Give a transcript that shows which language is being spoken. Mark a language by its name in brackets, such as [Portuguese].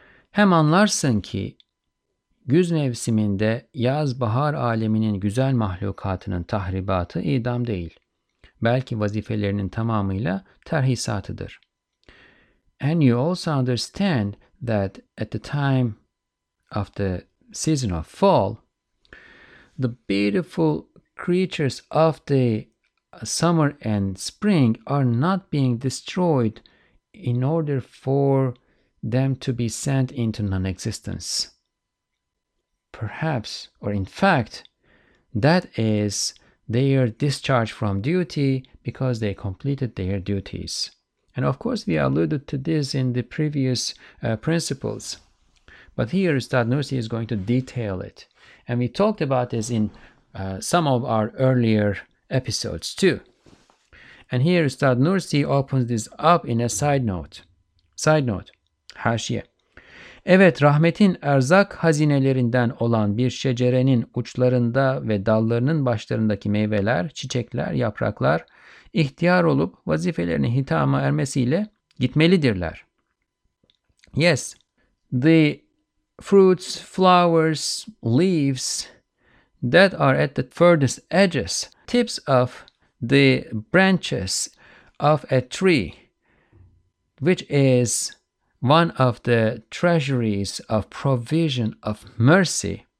[Turkish] Hem anlarsın ki, güz mevsiminde yaz-bahar aleminin güzel mahlukatının tahribatı idam değil, belki vazifelerinin tamamıyla terhisatıdır. [English] And you also understand that at the time of the season of fall, the beautiful creatures of the summer and spring are not being destroyed in order for them to be sent into non-existence. Perhaps, or in fact, that is their discharge from duty because they completed their duties. And of course, we alluded to this in the previous principles. But here, Ustad Nursi is going to detail it. And we talked about this in some of our earlier episodes too. And here, Ustad Nursi opens this up in a side note. Side note, haşiye. [Turkish] Evet, rahmetin erzak hazinelerinden olan bir şecerenin uçlarında ve dallarının başlarındaki meyveler, çiçekler, yapraklar ihtiyar olup vazifelerini hitama ermesiyle gitmelidirler. [English] Yes, the fruits, flowers, leaves that are at the furthest edges, tips of the branches of a tree, which is one of the treasuries of provision of mercy.